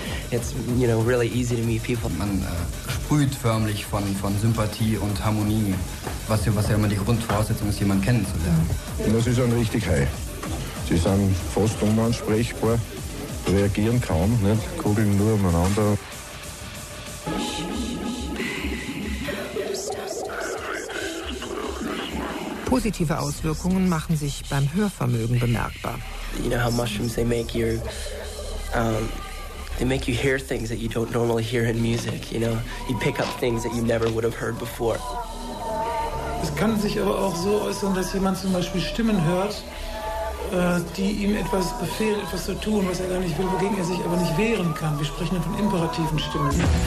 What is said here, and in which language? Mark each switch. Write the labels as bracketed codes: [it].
[en] It's, you know, really easy to meet people. [de] Man sprüht förmlich von Sympathie und Harmonie, was ja immer die Grundvoraussetzung ist, jemanden kennenzulernen. Das ist ein richtig High. Sie sind fast unansprechbar, reagieren kaum, ne? Kugeln nur umeinander. Positive Auswirkungen machen sich beim Hörvermögen bemerkbar. [en] You know how mushrooms they make you hear things that you don't normally hear in music, you know? You pick up things that you never would have heard before. [de] Es kann sich aber auch so äußern, dass jemand zum Beispiel Stimmen hört, die ihm etwas befehlen, etwas zu tun, was er gar nicht will, wogegen er sich aber nicht wehren kann. Wir sprechen ja von imperativen Stimmen.